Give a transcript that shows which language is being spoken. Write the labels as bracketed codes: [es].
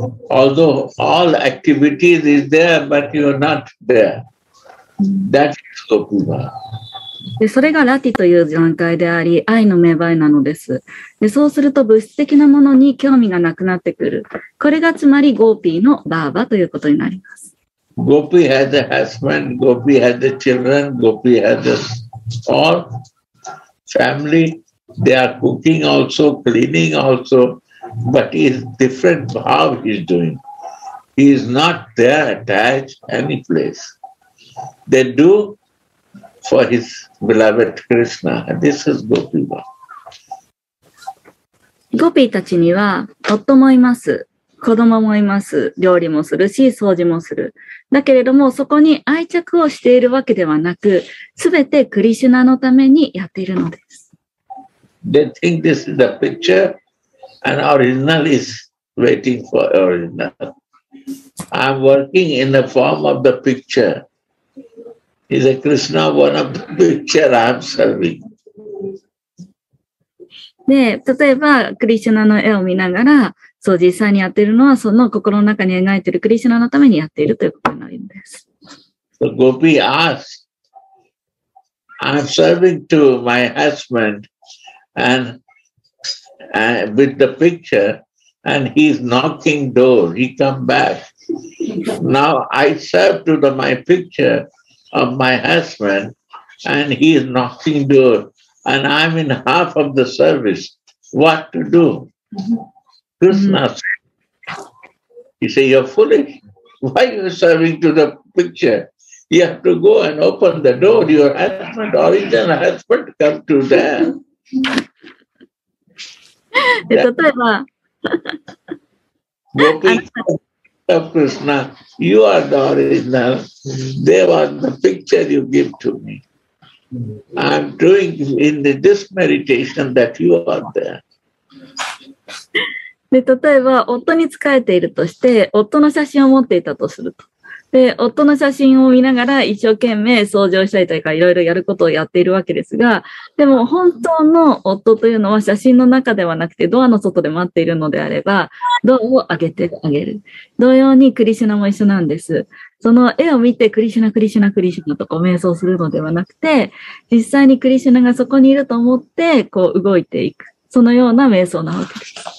[en] Although all activities is there, but you are not there. That is Gopi Bhava. [ja] でそれがラティという段階であり、愛の芽生えなのです。でそうすると物質的なものに興味がなくなってくる。これがつまりゴーピーのバーバということになります。 [en] ゴーピー has a husband, ゴーピー has a children, ゴーピー has a all family. They are cooking also, cleaning also, but is different how he is doing. He is not there attached any place. They do. For his beloved Krishna. This is Gopi Bhava. [ja] Gopi たちには夫もいます、子供もいます、料理もするし、掃除もする。だけれども、そこに愛着をしているわけではなく、すべてクリシュナのためにやっているのです。 [en] They think this is a picture, and original is waiting for original. I'm working in the form of the picture. Is a Krishna one of the picture I'm serving? [ja] で、例えばクリシュナの絵を見ながら、そう実際にやっているのはその心の中に描いているクリシュナのためにやっているということになるんです。 [en] The Gopi asks, I'm serving to my husband and with the picture and he's knocking door, he come back. Now I serve to the, my picture. Of my husband, and he is knocking door, and I'm in half of the service. What to do? Krishna said, "He said you're foolish. Why are you serving to the picture? You have to go and open the door. Your husband, original husband, come to there." Of Krishna, you are the original. They were the picture you give to me. I'm doing in this meditation that you are there. [ja] で例えば夫に仕えているとして夫の写真を持っていたとするとで夫の写真を見ながら一生懸命掃除をしたりというかいろいろやることをやっているわけですがでも本当の夫というのは写真の中ではなくてドアの外で待っているのであればドアを開けてあげる同様にクリシュナも一緒なんですその絵を見てクリシュナクリシュナクリシュナとこう瞑想するのではなくて実際にクリシュナがそこにいると思ってこう動いていくそのような瞑想なわけです